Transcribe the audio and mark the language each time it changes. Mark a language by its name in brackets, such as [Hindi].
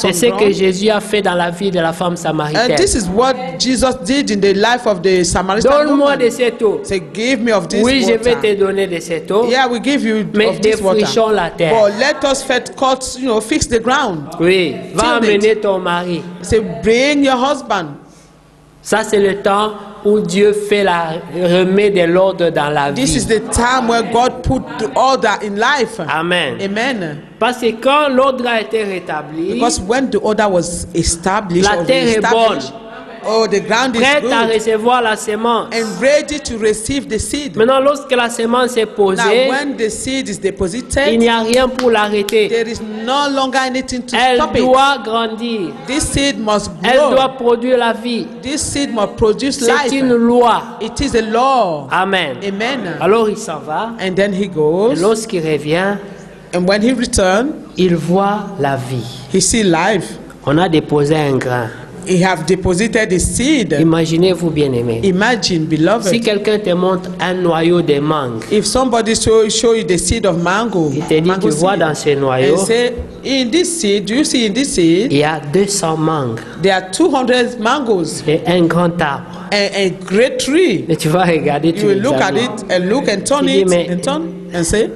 [French] c'est ce que Jésus a fait dans la vie de la femme samaritaine [English] and this is what Jesus did in the life of the Samaritan [French] donne-moi [English] woman. [French] De cette eau [English] say, give me of this [French] oui [English] water. [French] Je vais te donner de cette eau [English] yeah, we give you [French] mais défrichons la terre [English] but let us first cut you know fix the ground [French] oui va amener ton mari [English] say, bring your husband [French] ça c'est le temps où Dieu fait la remet de l'ordre dans la vie. [English] This is the time where God put the order in life. [French] Amen. [English] Amen. [French] Parce que quand l'ordre a été rétabli, [English] Because when the order was established, [French] la terre est bonne. [English] Oh, the ground is [French] prête [English] good. [French] À recevoir la semence. [English] And ready to receive the seed. [French] Maintenant, lorsque la semence est posée, [English] now, when the seed is deposited, [French] il n'y a rien pour l'arrêter. [English] There is no longer anything to [French] elle [English] stop it. [French] Elle doit grandir. [English] This seed must grow. [French] Elle doit produire la vie. [English] This seed must produce [French] c'est [English] life. [French] Une loi. [English] It is a law. [French] Amen. [English] Amen. [French] Alors il s'en va. [English] And then he goes. [French] Et lorsqu'il revient, [English] and when he returns, [French] il voit la vie. [English] He sees life. [French] On a déposé un grain. [English] He have deposited the seed. [French] Imaginez-vous bien aimé. [English] Imagine, beloved. [French] Si quelqu'un te montre un noyau de mangue. [English] If somebody show you the seed of mango. [French] Il te dit tu vois dans ce noyau. [English] And say, in this seed, do you see in this seed? [French] Il y a 200 mangues. [English] There are 200 mangoes. [French] Et un grand arbre. [English] A great tree. [French] Et tu vas regarder. [English] You will look at it and look and turn it and turn and say.